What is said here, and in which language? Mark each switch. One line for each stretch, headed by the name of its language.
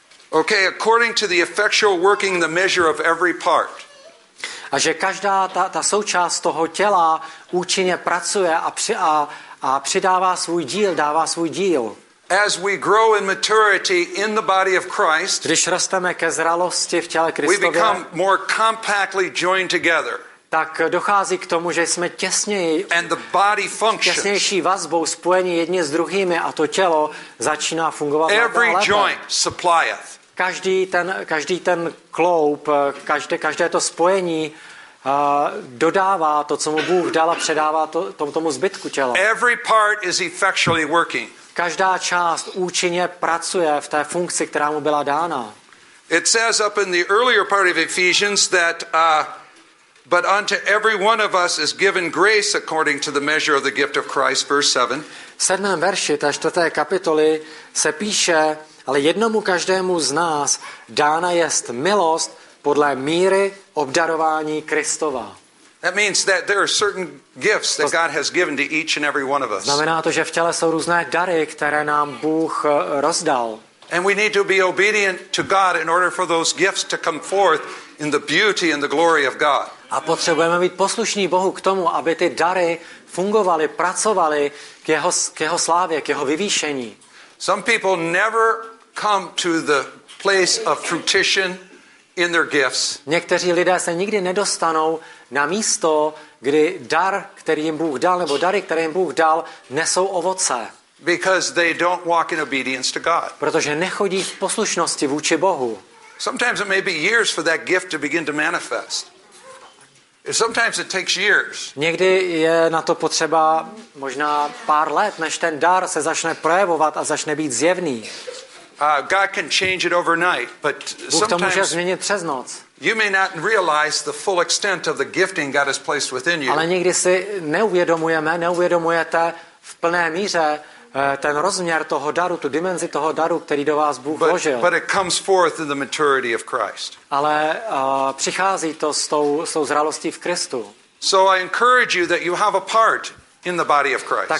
English: Okay, according to the effectual working the measure of every part.
Czech: A že každá ta součást toho těla účinně pracuje a přidává svůj díl, dává svůj díl.
English: As we grow in maturity in the body of Christ,
Czech: když rosteme ke zralosti v těle Kristově,
English: we become more compactly joined together.
Czech: Tak dochází k tomu, že jsme těsněji,
English: and the body functions.
Czech: Těsnější vazbou spojení jedni s druhými a to tělo začíná fungovat.
English: Every joint supplieth.
Czech: Každý ten kloub, každé to spojení dodává to, co mu Bůh dal a předává tomu zbytku těla.
English: Every part is effectually working.
Czech: Každá část účinně pracuje v té funkci, která mu byla dána.
English: It says up in the earlier part of Ephesians that but unto every one of us is given grace according to the measure of the gift of Christ, verse 7.
Czech: V 7. verši té 4. kapitoly se píše, ale jednomu každému z nás dána jest milost podle míry obdarování Kristova.
English: That means that there are certain gifts that God has given to each and every one of us.
Czech: Znamená to, že v těle jsou různé dary, které nám Bůh rozdal.
English: And we need to be obedient to God in order for those gifts to come forth in the beauty and the glory of God.
Czech: A potřebujeme být poslušní Bohu k tomu, aby ty dary fungovaly, pracovaly k jeho slávě, k jeho vyvýšení.
English: Some people never come to the place of fruition in their gifts.
Czech: Někteří lidé se nikdy nedostanou na místo, kdy dar, který jim Bůh dal, nebo dary, které jim Bůh dal, nesou ovoce.
English: Because they don't walk in obedience to God.
Czech: Protože nechodí v poslušnosti vůči Bohu.
English: Sometimes it may be years for that gift to begin to manifest. Sometimes it takes years.
Czech: Někdy je na to potřeba možná pár let, než ten dar se začne projevovat a začne být zjevný.
English: God can change it overnight, but
Czech: Bůh to může změnit přes noc.
English: You may not realize the full extent of the gifting God has placed within you.
Czech: Ale někdy si neuvědomujete v plné míře ten rozměr toho daru, tu dimenzi toho daru, který do vás Bůh vložil.
English: But it comes forth in the maturity of Christ.
Czech: Ale přichází to s tou zralostí v Kristu.
English: So I encourage you that you have a part in the body of Christ.